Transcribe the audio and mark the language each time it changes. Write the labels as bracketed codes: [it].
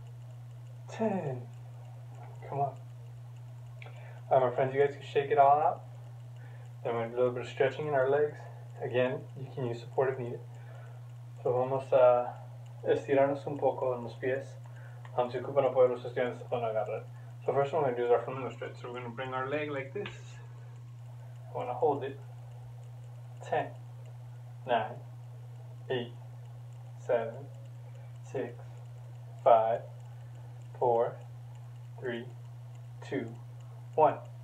[en] 1, 2, 3, 4, 5, 6, 7, 8, 9, 10. Come on. All right, my friends, you guys can shake it all out. Then we're going to do a little bit of stretching in our legs. Again, you can use support if needed. [es] So vamos a estirarnos un poco en los pies. Si ocupan apoyo, los estudiantes se pueden agarrar. [en] So first one we're going to do is our flamingo stretch. So we're going to bring our leg like this. I want to hold it. 10, 9, 8, 7, 6, 5, 4, 3, 2, 1.